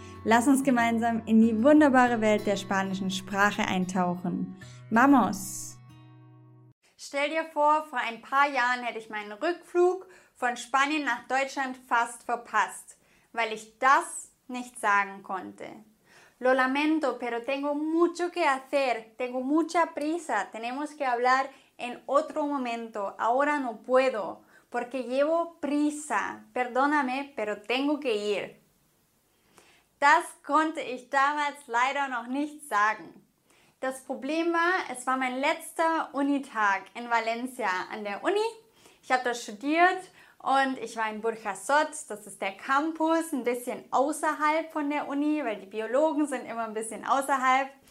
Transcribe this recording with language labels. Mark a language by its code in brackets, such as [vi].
[de] Lass uns gemeinsam in die wunderbare Welt der spanischen Sprache eintauchen. ¡Vamos! Stell dir vor ein paar Jahren hätte ich meinen Rückflug von Spanien nach Deutschland fast verpasst, weil ich das nicht sagen konnte. [es] Lo lamento, pero tengo mucho que hacer. Tengo mucha prisa. Tenemos que hablar en otro momento. Ahora no puedo. Porque llevo prisa. Perdóname, pero tengo que ir. [de] Das konnte ich damals leider noch nicht sagen. Das Problem war, es war mein letzter Unitag in Valencia an der Uni. Ich habe dort studiert und ich war in Burjasot. Das ist der Campus, ein bisschen außerhalb von der Uni, weil die Biologen sind immer ein bisschen außerhalb.